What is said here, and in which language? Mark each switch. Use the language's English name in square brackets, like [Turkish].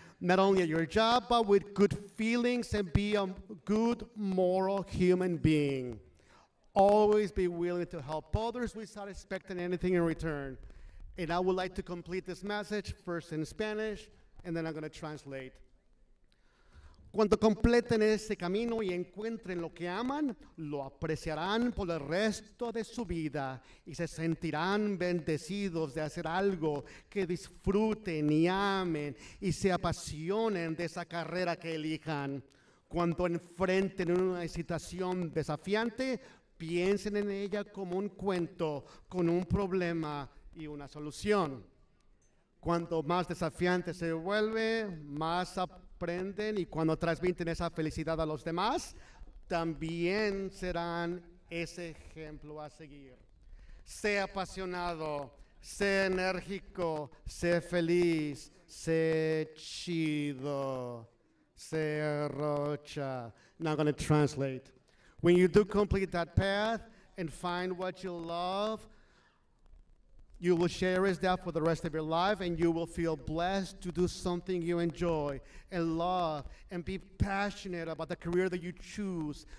[English] Not only at your job, but with good feelings and be a good moral human being. Always be willing to help others without expecting anything in return. And I would like to complete this message first in Spanish, and then I'm going to translate. [Spanish] Cuando completen ese camino y encuentren lo que aman, lo apreciarán por el resto de su vida y se sentirán bendecidos de hacer algo que disfruten y amen y se apasionen de esa carrera que elijan. Cuando enfrenten una situación desafiante, piensen en ella como un cuento con un problema y una solución. Cuanto más desafiante se vuelve, más aprenden y cuando transmiten esa felicidad a los demás, también serán ese ejemplo a seguir. Sé apasionado, sé enérgico, sé feliz, sé chido, sé rocha. [English] Now I'm going to translate. When you do complete that path and find what you love, you will cherish that for the rest of your life, and you will feel blessed to do something you enjoy and love and be passionate about the career that you choose.